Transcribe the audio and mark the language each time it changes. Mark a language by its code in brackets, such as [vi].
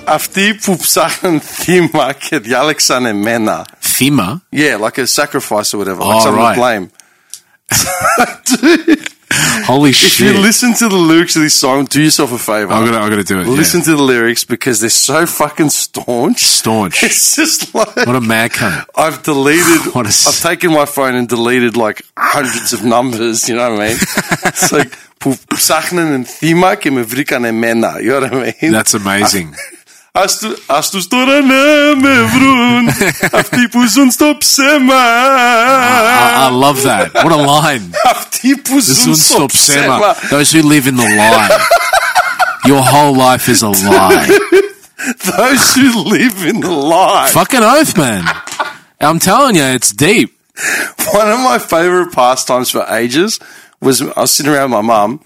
[el] Αυτοί που ψάχνουν θύμα και διάλεξαν εμένα. Θύμα? [en] Yeah, like a sacrifice or whatever. Oh, like someone right. To blame. Dude. Holy shit. If you listen to the lyrics of this song, do yourself a favor. I gotta do it. Listen yeah. to the lyrics because they're so fucking staunch. Staunch. It's just like. What a mad cunt. I've taken my phone and deleted like hundreds of numbers, you know what I mean? It's like. [el] Που ψάχναν θύμα και με βρήκαν εμένα. [en] You know what I mean? That's amazing. [el] Ας τους τώρα να με βρουν αυτοί που ζουν στο ψέμα. [en] I love that. What a line. [el] Αυτοί που ζουν στο ψέμα. [en] Those who live in the lie. Your whole life is a lie. Those who live in the lie. Fucking oath, man. I'm telling you, it's deep. One of my favorite pastimes for ages was I was sitting around with my mum